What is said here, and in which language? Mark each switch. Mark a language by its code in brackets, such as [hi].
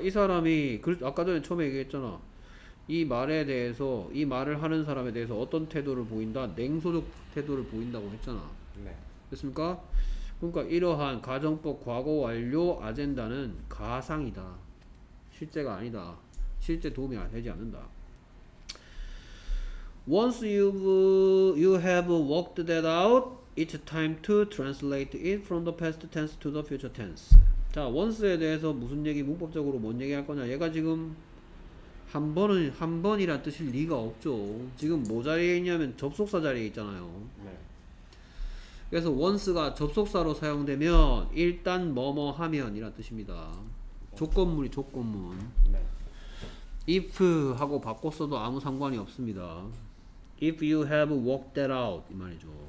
[ko] 이 사람이 아까 전에 처음에 얘기했잖아. 이 말에 대해서, 이 말을 하는 사람에 대해서 어떤 태도를 보인다? 냉소적 태도를 보인다고 했잖아. 네. 됐습니까? 그러니까 이러한 가정법 과거 완료 아젠다는 가상이다. 실제가 아니다. 실제 도움이 되지 않는다. [en] Once you have worked that out, it's time to translate it from the past tense to the future tense. [ko] 자, once에 대해서 무슨 얘기, 문법적으로 뭔 얘기 할 거냐? 얘가 지금 한 번은, 한 번이란 뜻일 리가 없죠. 지금 뭐 자리에 있냐면 접속사 자리에 있잖아요. 네. 그래서 once가 접속사로 사용되면 일단 뭐뭐 하면 이란 뜻입니다. 조건문이 조건문. 네. if 하고 바꿨어도 아무 상관이 없습니다. [en] If you have worked that out [ko] 이 말이죠.